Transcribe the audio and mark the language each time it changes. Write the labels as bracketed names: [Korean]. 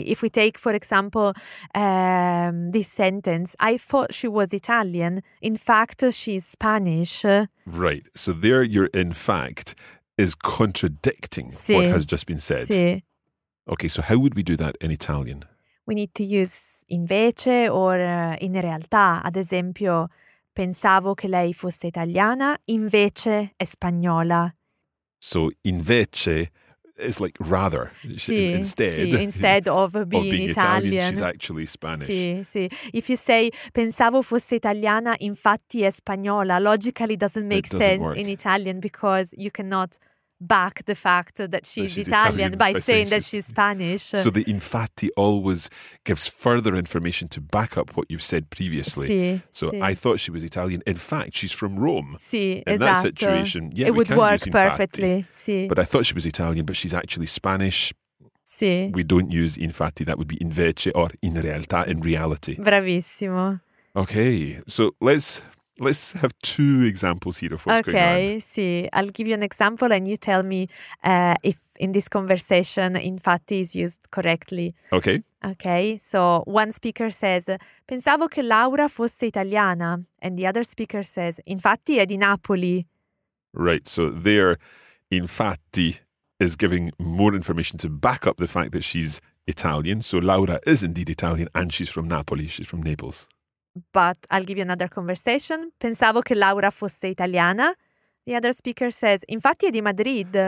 [English] If we take, for example, this sentence, I thought she was Italian. In fact, she's Spanish. Right. So there your in fact is contradicting what has just been said. Okay, so how would we do that in Italian? We need to use invece or in realtà. [Italian] Ad esempio, pensavo che lei fosse italiana, invece è spagnola. [English] So invece is like rather, instead of being Italian, she's actually Spanish. [Italian] Sì. [English] If you say [Italian] pensavo fosse italiana, infatti è spagnola, [English] logically doesn't make sense in Italian because you cannot back the fact that she's Italian by saying she's Spanish. So the infatti always gives further information to back up what you've said previously. I thought she was Italian. In fact, she's from Rome. In that situation, it would work perfectly. But I thought she was Italian, but she's actually Spanish. We don't use infatti. That would be invece or in realtà, in reality. [Italian] Bravissimo. [English] Okay, so let's have two examples here of what's going on. Okay, I'll give you an example and you tell me if in this conversation infatti is used correctly. Okay. Okay, so one speaker says, [Italian] pensavo che Laura fosse italiana. [English] And the other speaker says, [Italian] infatti è di Napoli. [English] Right, so there, infatti is giving more information to back up the fact that she's Italian. So Laura is indeed Italian and she's from Napoli, she's from Naples. But I'll give you another conversation. [Italian] Pensavo che Laura fosse italiana. [English] The other speaker says, [Italian] infatti è di Madrid.